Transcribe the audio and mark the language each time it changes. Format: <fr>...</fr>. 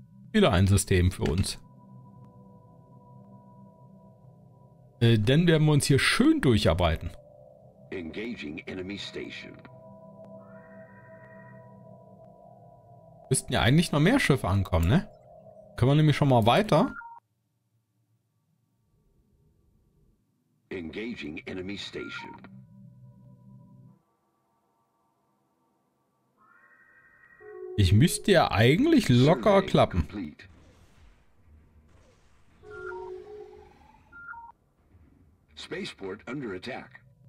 <de>Wieder ein System für uns. Denn werden wir uns hier schön durcharbeiten.</de> <en>Engaging enemy station.</en> <de>Müssten ja eigentlich noch mehr Schiffe ankommen, ne? Können wir nämlich schon mal weiter.</de> <en>Engaging enemy station.</en> <de>Ich müsste ja eigentlich locker klappen.</de> <en>Spaceport under attack.</en>